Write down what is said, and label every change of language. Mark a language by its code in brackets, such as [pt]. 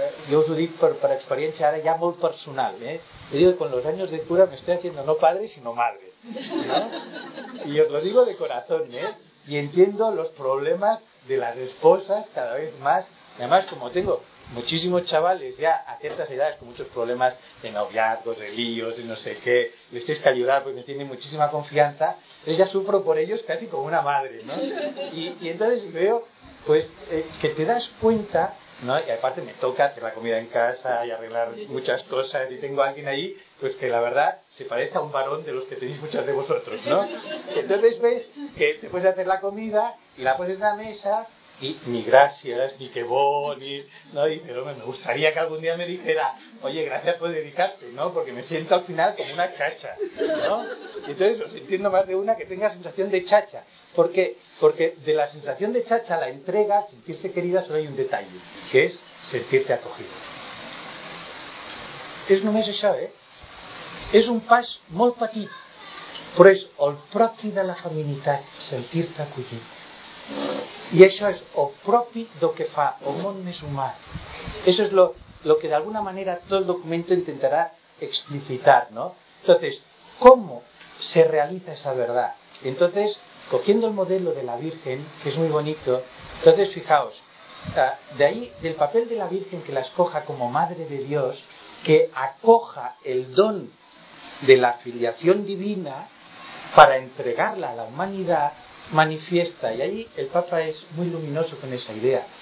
[ca] Jo us ho dic per experiència ara ja molt personal. [es] Yo digo que con los años de cura me estoy haciendo no padre, sino madre. ¿No? Y os lo digo de corazón. Y entiendo los problemas de las esposas cada vez más. Y además, como tengo muchísimos chavales ya a ciertas edades con muchos problemas de noviazgos, de líos, de no sé qué, les tienes que ayudar porque me tienen muchísima confianza, yo ya sufro por ellos casi como una madre, ¿no? Y entonces veo, pues, que te das cuenta, ¿no? Y aparte me toca hacer la comida en casa y arreglar muchas cosas, y tengo a alguien ahí, pues que la verdad se parece a un varón de los que tenéis muchas de vosotros, ¿no? Entonces ves que te puedes hacer la comida y la pones en la mesa y ni gracias, ni qué bonito, ¿no? Y pero me gustaría que algún día me dijera, oye, gracias por dedicarte, ¿no? Porque me siento al final como una chacha, ¿no? Y entonces os entiendo más de una que tenga sensación de chacha. ¿Por qué? Porque de la sensación de chacha, la entrega, sentirse querida, solo hay un detalle, que es sentirte acogido. [ca] Es només això, ¿eh? És un pas molt petit, però és el propi de la feminitat, sentir-te acollit. I això és el propi del que fa el món més humà. Això és el que d'alguna manera tot el document intentarà explicitar, no? Entonces, com se realitza [es] esa verdad? Entonces, cogiendo el modelo de la Virgen, que es muy bonito, entonces, fijaos, de ahí, del papel de la Virgen que la escoja como Madre de Dios, que acoja el don de la filiación divina para entregarla a la humanidad manifiesta, y ahí el Papa es muy luminoso con esa idea.